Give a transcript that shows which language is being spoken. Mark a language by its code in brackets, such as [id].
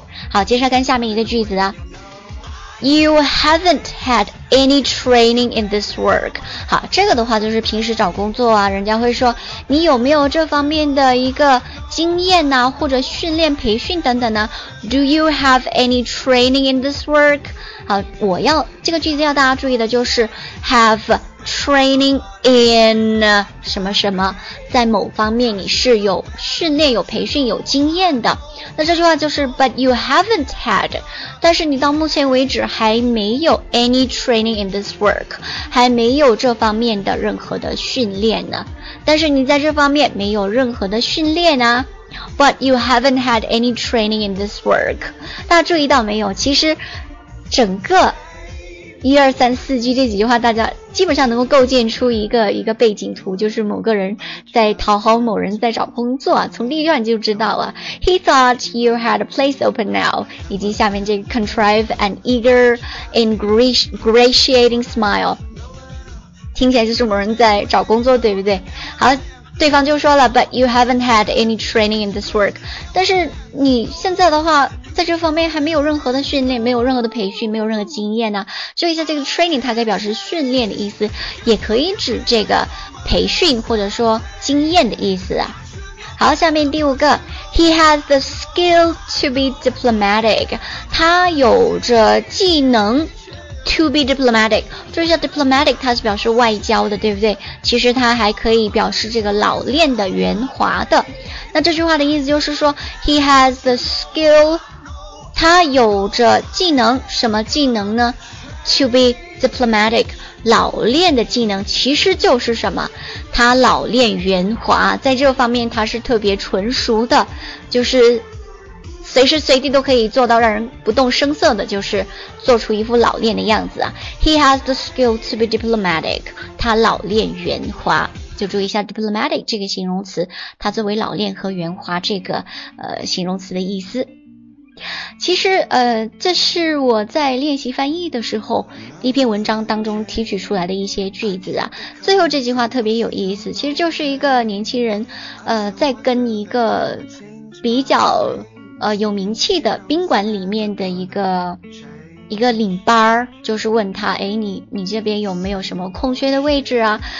[zh] 好，接下来看下面一个句子啊。 [en] You haven't had any training in this work。 [zh] 好，这个的话就是平时找工作啊，人家会说你有没有这方面的一个经验啊，或者训练培训等等呢。 [en] Do you have any training in this work？ [zh] 好，我要这个句子要大家注意的就是 [en] have training in [zh] 什么什么，在某方面你是有训练、有培训、有经验的。那这句话就是 [en] but you haven't had， [zh] 但是你到目前为止还没有 [en] any training in this work， [zh] 还没有这方面的任何的训练呢。但是你在这方面没有任何的训练啊， [en] but you haven't had any training in this work。 [zh] 大家注意到没有，其实整个一二三四句这几句话大家基本上能够构建出一个背景图，就是某个人在讨好某人，在找工作啊。从第一段就知道了 [en] He thought you had a place open now， [zh] 以及下面这个 [en] contrive an eager ingratiating smile， [zh] 听起来就是某人在找工作，对不对？好，对方就说了 [en] But you haven't had any training in this work， [zh] 但是你现在的话在这方面还没有任何的训练，没有任何的培训，没有任何经验呢。注意一下这个 training， 它可以表示训练的意思，也可以指这个培训或者说经验的意思啊。好，下面第五个， [en] He has the skill to be diplomatic， [zh] 他有着技能 [en] to be diplomatic。 [zh] 注意一下 diplomatic 它是表示外交的，对不对？其实它还可以表示这个老练的、圆滑的。那这句话的意思就是说 [en] He has the skill， [zh] 他有着技能，什么技能呢？ [en] To be diplomatic， [zh] 老练的技能，其实就是什么，他老练圆滑，在这方面他是特别纯熟的，就是随时随地都可以做到让人不动声色的，就是做出一副老练的样子啊。 [en] He has the skill to be diplomatic， [zh] 他老练圆滑。就注意一下 diplomatic 这个形容词，它作为老练和圆滑这个形容词的意思。其实这是我在练习翻译的时候一篇文章当中提取出来的一些句子啊。最后这句话特别有意思，其实就是一个年轻人在跟一个比较有名气的宾馆里面的一个领班，就是问他，诶，你这边有没有什么空缺的位置啊？